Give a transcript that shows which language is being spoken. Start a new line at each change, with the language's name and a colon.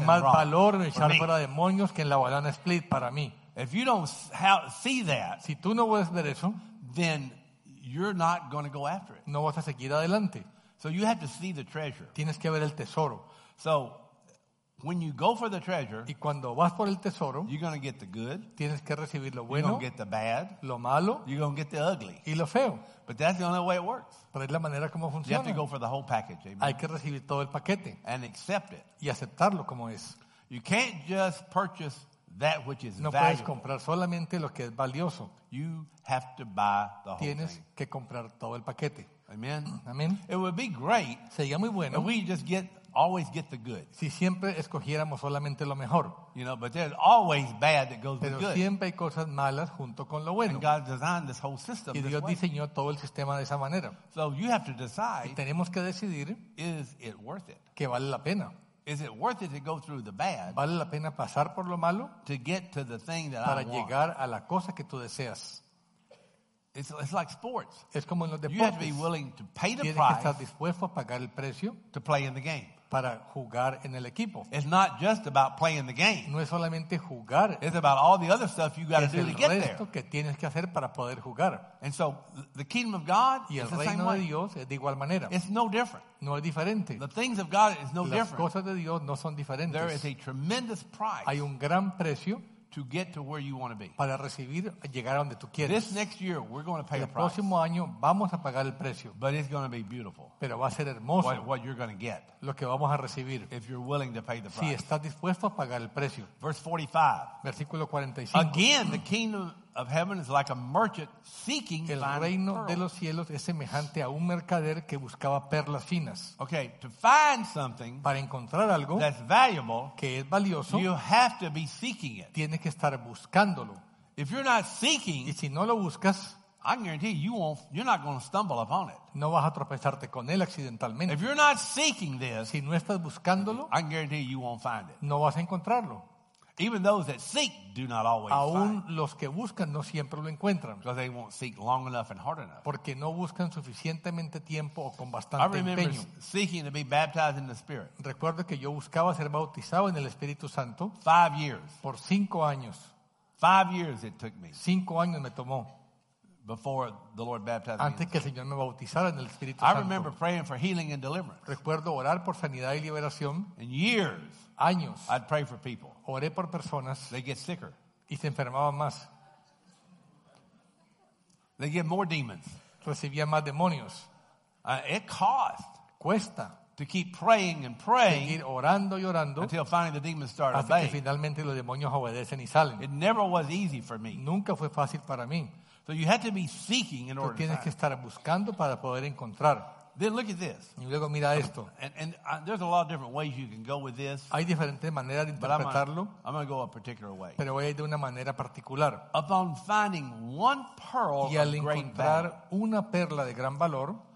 Spanish: Hay más valor en echar fuera demonios que en la banana split para mí.
English: If you don't see that.
Spanish: Si tú no puedes ver eso.
English: Then you're not going to go after it.
Spanish: No vas a seguir adelante.
English: So you have to see the treasure.
Spanish: Tienes que ver el tesoro.
English: So. When you go for the treasure,
Spanish: y cuando vas por el tesoro,
English: you're going to get the good.
Spanish: Tienes que recibir lo bueno.
English: You're going to get the bad.
Spanish: Lo malo.
English: You're going to get the ugly.
Spanish: Y lo feo.
English: But that's the only way it works.
Spanish: Pero es la manera como funciona.
English: You have to go for the whole package. Amen.
Spanish: Hay que recibir todo el paquete.
English: And accept it.
Spanish: Y aceptarlo como es.
English: You can't just purchase that which is valuable.
Spanish: No puedes comprar solamente lo que es valioso.
English: You have to buy the whole thing.
Spanish: Tienes que comprar todo el paquete.
English: Amen.
Spanish: Amen.
English: It would be great.
Spanish: Sería muy bueno.
English: If we just get always get the good.
Spanish: Si siempre escogiéramos solamente lo mejor.
English: You know, but there's always bad that goes
Spanish: pero
English: with good.
Spanish: Pero siempre hay cosas malas junto con lo bueno.
English: And God designed this whole system.
Spanish: Y Dios diseñó
English: way.
Spanish: Todo el sistema de esa manera.
English: So you have to decide.
Spanish: Y tenemos que decidir.
English: Is it worth it?
Spanish: Que vale la pena.
English: Is it worth it to go through the bad?
Spanish: Vale la pena pasar por lo malo.
English: To get to the thing that I want.
Spanish: Para llegar a la cosa que tú deseas.
English: It's like sports.
Spanish: Es como en los deportes.
English: You have to be willing to pay the
Spanish: tienes
English: price.
Spanish: Que estar dispuesto a pagar el precio.
English: To play in the game.
Spanish: Para jugar en el equipo.
English: It's not just about playing the game.
Spanish: No es solamente jugar.
English: It's about all the other stuff you got to do to get there.
Spanish: Es el resto que tienes que hacer para poder jugar.
English: And so the kingdom of God
Spanish: y el
English: is
Spanish: reino
English: the same
Spanish: de Dios
English: way.
Spanish: Es de igual manera.
English: It's no different.
Spanish: No es diferente.
English: The things of God is no
Spanish: las
English: different.
Spanish: Las cosas de Dios no son diferentes.
English: There is a tremendous price.
Spanish: Hay un gran precio.
English: To get to where you want to be.
Spanish: Para recibir llegar a donde tú quieres.
English: This next year we're going to pay the price.
Spanish: El próximo año vamos a pagar el precio.
English: But it's going to be beautiful.
Spanish: Pero va a ser hermoso.
English: What you're going to get.
Spanish: Lo que vamos a recibir.
English: If you're willing to pay the price.
Spanish: Si estás dispuesto a pagar el precio.
English: Verse 45.
Spanish: Versículo 45.
English: Again, the kingdom of heaven is like a merchant seeking fine pearls.
Spanish: El reino de los cielos es semejante a un mercader que buscaba perlas finas.
English: Okay, to find something
Spanish: para encontrar algo
English: that's valuable,
Spanish: que es valioso,
English: you have to be seeking it.
Spanish: Tienes que estar buscándolo.
English: If you're not seeking,
Spanish: y si no lo buscas,
English: I guarantee you won't. You're not going to stumble upon it.
Spanish: No vas a tropezarte con él accidentalmente.
English: If you're not seeking this,
Spanish: si no estás buscándolo,
English: I guarantee you won't find it.
Spanish: No vas a encontrarlo.
English: Even those that seek do not always find.
Spanish: Aún los que buscan no siempre lo encuentran.
English: Because they won't seek long enough and hard enough.
Spanish: Porque no buscan suficientemente tiempo o con bastante empeño.
English: I remember
Spanish: empeño.
English: Seeking to be baptized in the Spirit.
Spanish: Recuerdo que yo buscaba ser bautizado en el Espíritu Santo.
English: 5 years.
Spanish: Por 5 años.
English: 5 years it took me.
Spanish: 5 años me tomó.
English: Before the Lord baptized me.
Spanish: Antes que el Señor me bautizara en el Espíritu
English: Santo. I remember praying for healing and deliverance.
Spanish: Recuerdo orar por sanidad y liberación.
English: In years.
Spanish: Años.
English: I'd pray for people.
Spanish: Oré por personas.
English: They get sicker.
Spanish: Y se enfermaban más.
English: They get more demons.
Spanish: Recibían más demonios.
English: It cost.
Spanish: Cuesta.
English: To keep praying and praying.
Spanish: Seguir orando y orando.
English: Until finally the demons start obeying.
Spanish: Hasta que finalmente los demonios obedecen y salen.
English: It never was easy for me.
Spanish: Nunca fue fácil para mí.
English: So you have to be seeking in order to find.
Spanish: Tienes que estar buscando para poder encontrar.
English: Then look at this.
Spanish: Y luego mira esto.
English: And there's a lot of different ways you can go with this.
Spanish: Hay diferentes maneras de interpretarlo.
English: But I'm going to go a particular way.
Spanish: Pero voy a ir de una manera particular.
English: Upon finding one pearl
Spanish: y al encontrar una perla de gran valor,